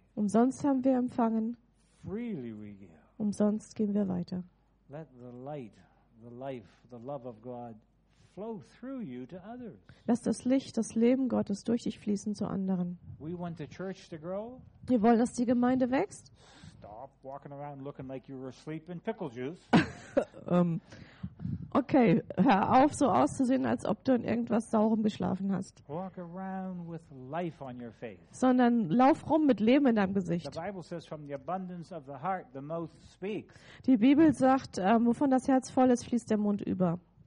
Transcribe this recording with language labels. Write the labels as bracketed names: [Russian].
[German] Umsonst haben wir empfangen. [English] Freely we give. [German] Umsonst gehen wir weiter. [English] Let the light, the life, the love of God flow through you to others. [German] Lass das Licht, das Leben Gottes durch dich fließen zu anderen. [English] We want the church to grow. [German] Wir wollen, dass die Gemeinde wächst. [English] Stop walking around looking like you were asleep in pickle juice. [German] Okay, hör auf, so auszusehen, als ob du in irgendwas Saurem geschlafen hast. [English] Walk around with life on your face. [German] Sondern lauf rum mit Leben in deinem Gesicht. [English] The Bible says, from the abundance of the heart, the mouth speaks. [German] Die Bibel sagt, wovon das Herz voll ist, fließt der Mund über.